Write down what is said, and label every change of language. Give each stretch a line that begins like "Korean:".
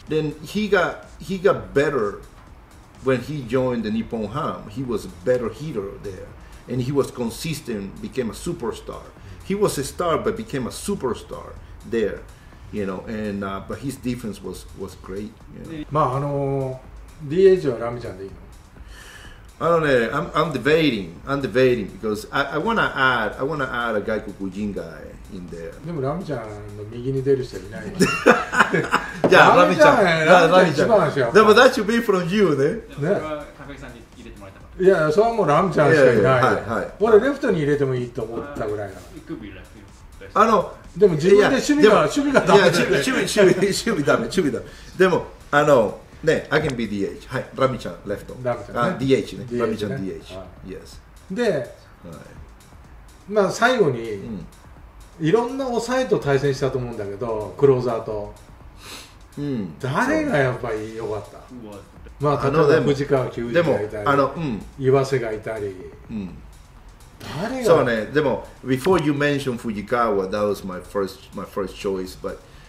English: Then he got better when he joined the Nippon Ham. He was a better hitter there. And he was consistent, became a superstar. He was a star, but became a superstar there. You know, and, but his defense was great. You know?
Japanese: まあ、DH はラミちゃんでいいの?
English: I don't know. I'm debating because I wanna add a Gaiku Kujin guy in there.
Japanese: でもラミちゃんの右に出る人いないよ。いや、ラミちゃん。ラミちゃん一番ですよ。
English: でも that should be from you, ね。
Japanese: それは高木さんに入れてもらいたかった。いや、それはもうラミちゃんしかいない。はいはい。俺レフトに入れてもいいと思ったぐらいな。イクビラっていう。あの、でも自分で趣味がダメだね。趣味ダメ。でも、あの、ね、
English: I can be DH。
Japanese: はい、ラミちゃん、レフト。ラミちゃん、ね。DH ね。ラミちゃん、DH。はい、yes。で、はい、まあ、最後に、うん、いろんな抑えと対戦したと思うんだけど、クローザーと。うん、誰がやっぱり良かった、まあ、例えば、藤川球児がいたり、でも、岩瀬がいたり。うん、誰が
English: そうね、でも、before you mentioned Fujikawa, that was my first choice, but,